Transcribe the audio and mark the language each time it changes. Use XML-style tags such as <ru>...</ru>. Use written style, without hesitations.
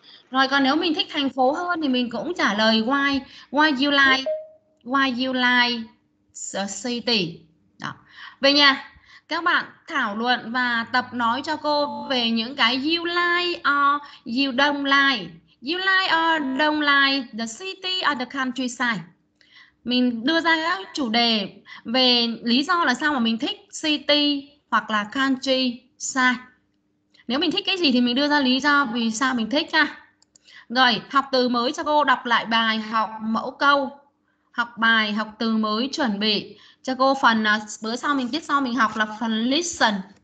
<vi>Rồi còn nếu mình thích thành phố hơn thì mình cũng trả lời</vi> <en>why you like the city.</en> <vi>Đó. Về nhà. Các bạn thảo luận và tập nói cho cô về những cái</vi> <en>you like or you don't like. You like or don't like the city or the countryside.</en> <vi>Mình đưa ra các chủ đề về lý do là sao mà mình thích city hoặc là countryside. Nếu mình thích cái gì thì mình đưa ra lý do vì sao mình thích nha. Rồi, học từ mới cho cô, đọc lại bài, học mẫu câu. Học bài, học từ mới, chuẩn bị cho cô phần bữa sau mình tiết sau mình học là phần listen.</vi>